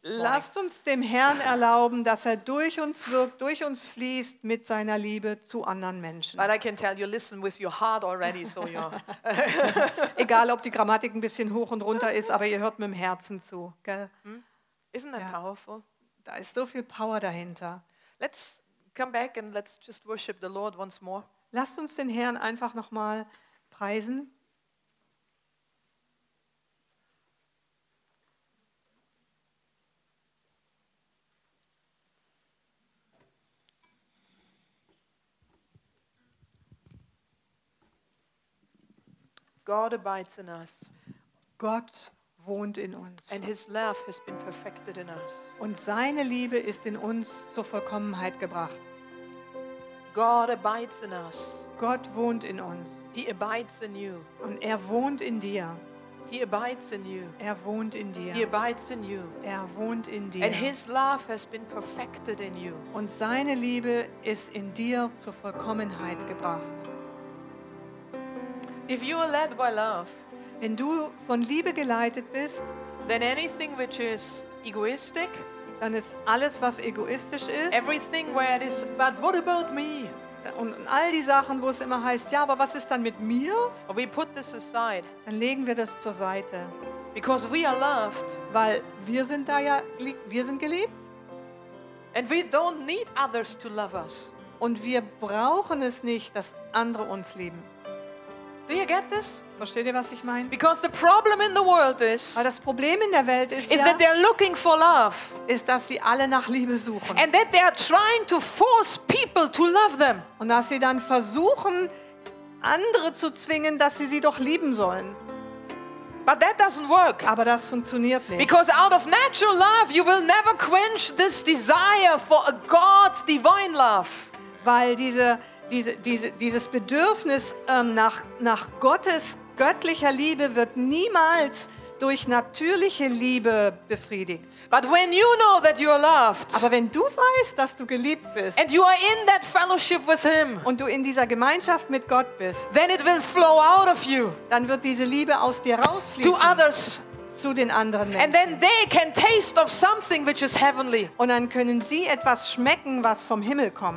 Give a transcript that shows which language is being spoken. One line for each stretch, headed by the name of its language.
German: Lasst uns dem Herrn erlauben, dass er durch uns wirkt, durch uns fließt mit seiner Liebe zu anderen Menschen.
English: But I can tell you, listen with your heart already, so you're.
German: Egal, ob die Grammatik ein bisschen hoch und runter ist, aber ihr hört mit dem Herzen zu, gell?
English: Isn't that powerful?
German: Da ist so viel Power dahinter.
English: Let's come back and let's just worship the Lord once more.
German: Lasst uns den Herrn einfach noch mal preisen.
English: God abides in us.
German: Gott wohnt in uns.
English: And his love has been perfected in us.
German: Und seine Liebe ist in uns zur Vollkommenheit gebracht.
English: God abides in us.
German: Gott wohnt in uns.
English: He abides in you.
German: Und er wohnt in dir.
English: He abides in you.
German: Er wohnt in dir.
English: He abides in you.
German: Er wohnt in dir.
English: And his love has been perfected in you.
German: Und seine Liebe ist in dir zur Vollkommenheit gebracht.
English: If you are led by love,
German: wenn du von Liebe geleitet bist,
English: then anything which is egoistic,
German: dann ist alles, was egoistisch ist,
English: everything where it is, but what about me?
German: Und all die Sachen, wo es immer heißt, ja, aber was ist dann mit mir?
English: We put this aside.
German: Dann legen wir das zur Seite.
English: Because we are loved.
German: Weil wir sind da ja, wir sind geliebt.
English: And we don't need others to love us.
German: Und wir brauchen es nicht, dass andere uns lieben.
English: Do you get this?
German: Versteht ihr, was ich meine?
English: Because the problem in the world is,
German: weil das Problem in der Welt ist,
English: is
German: ja,
English: that they're looking for love.
German: Ist, dass sie alle nach Liebe suchen.
English: And that they are trying to force people to love them.
German: Und dass sie dann versuchen, andere zu zwingen, dass sie doch lieben sollen.
English: But that doesn't work.
German: Aber das funktioniert nicht.
English: Because out of natural love, you will never quench this desire for a God's divine love.
German: Weil dieses Bedürfnis nach Gottes göttlicher Liebe wird niemals durch natürliche Liebe befriedigt.
English: But when you know that you are loved,
German: aber wenn du weißt, dass du geliebt bist,
English: and you are in that fellowship with him,
German: und du in dieser Gemeinschaft mit Gott bist,
English: then it will flow out of you,
German: dann wird diese Liebe aus dir rausfließen.
English: To others.
German: Zu den anderen Menschen.
English: And then they can taste of something which is heavenly.
German: Und dann können sie etwas schmecken, was vom Himmel kommt.